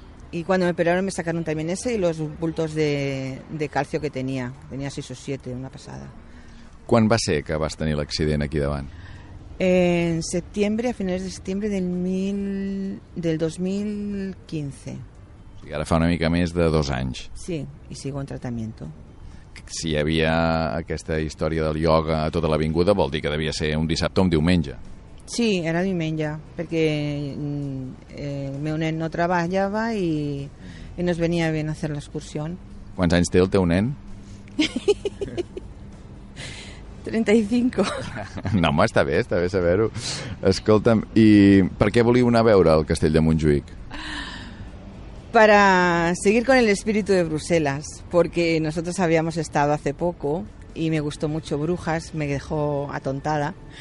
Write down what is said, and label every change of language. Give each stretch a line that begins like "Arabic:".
Spanish: Y cuando me operaron me sacaron también ese y los bultos de calcio que tenía 6 o 7, una pasada. ¿Cuándo va a ser que vas a tener el accidente aquí davant? En septiembre, a finales de septiembre del 2015.
Catalan: O sigui, ara fa una mica més de 2 anys.
Spanish: Sí, i sigo en tratamiento.
Catalan: Si hi havia aquesta història del ioga a tota l'avinguda, vol dir que devia ser un dissabte o un diumenge. Sí, era diumenge, perquè el meu nen no treballava i no es venia ben a fer l'excursió. Quants anys té el teu nen? 35. No, home, està bé saber-ho. Escolta'm, i per què volíeu anar a veure el castell de Montjuïc?
Spanish: Para seguir con el espíritu de Bruselas, porque nosotros habíamos estado hace poco y me gustó mucho Brujas, me dejó atontada.